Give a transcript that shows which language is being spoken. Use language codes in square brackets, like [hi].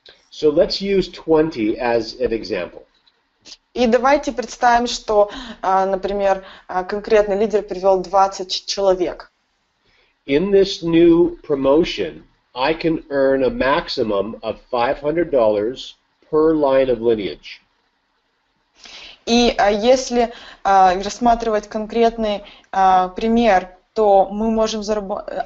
[en] So let's use 20 as an example. [ru] И давайте представим, что, например, конкретный лидер привел 20 человек. [en] In this new promotion, I can earn a maximum of $500 per line of lineage. [ru] И если рассматривать конкретный пример, то мы можем заработать